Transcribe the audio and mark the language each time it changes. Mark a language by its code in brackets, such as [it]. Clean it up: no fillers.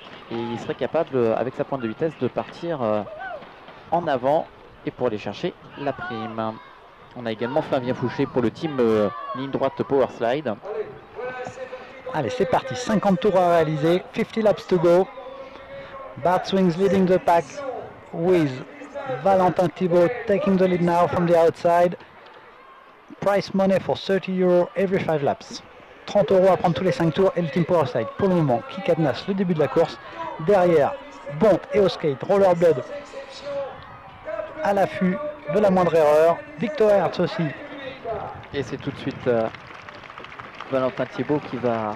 [fr] Et il serait capable, avec sa pointe de vitesse, de partir en avant et pour aller chercher la prime. On a également Flavien Fouché pour le team ligne droite Power Slide. Allez, c'est parti, 50 tours à réaliser, [en] 50 laps to go. Bart Swings leading the pack with Valentin Thibault taking the lead now from the outside. Price money for 30 euros every 5 laps. [fr] 30 euros à prendre tous les 5 tours et le team Power Slide. Pour le moment, qui cadenasse le début de la course. Derrière, Bont et Oskate, Rollerblood à l'affût de la moindre erreur. Victor Aerts aussi. Et c'est tout de suite... Valentin Thibault qui va...